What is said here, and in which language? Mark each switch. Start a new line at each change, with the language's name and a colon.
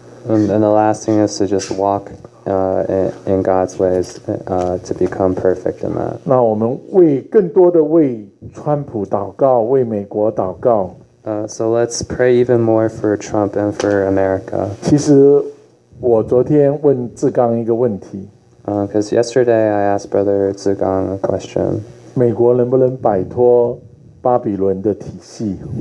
English: And the last thing is to just walkin God's ways, to become perfect in that.
Chinese: 那我们为更多的为川普祷告，为美国祷告。
English: So let's pray even more for Trump and for America.
Chinese: 其实我昨天问志刚一个问题。
English: Because yesterday I asked Brother 志刚 a question.
Chinese: 美国能不能摆脱巴比伦的体系？